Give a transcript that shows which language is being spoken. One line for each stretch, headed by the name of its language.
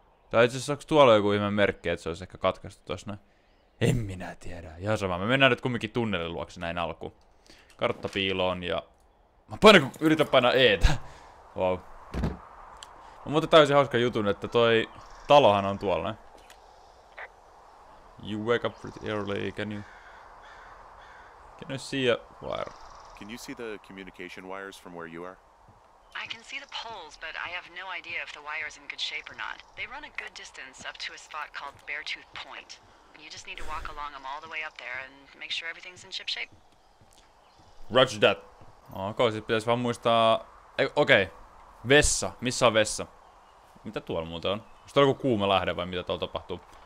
Finnish: Tai itse asiassa onko tuolla joku ihme merkki, että se olisi ehkä katkaistu tuossa näin? En minä tiedä. Ihan sama. Me mennään nyt kumminkin tunnelin luokse näin alkuun. Kartta piiloon ja... Mä yritän painaa E-tä. Wow. Mä muuten täysin hauska jutun, että toi talohan on tuolla.
English: You wake up pretty early, can you see a wire? Can you see the communication wires from where you are? I can see the poles, but I have no idea if the wire is in good shape or not. They run a good distance up to a spot called Beartooth Point. You just need to walk along them all the way up there and make sure everything's in ship shape. Roger that.
Finnish: Okay, sit pitäis vaan muistaa... Okei. Vessa. Missä on vessa? Mitä tuolla muuten on? Onko tuolla joku kuuma lähde vai mitä tuolla tapahtuu?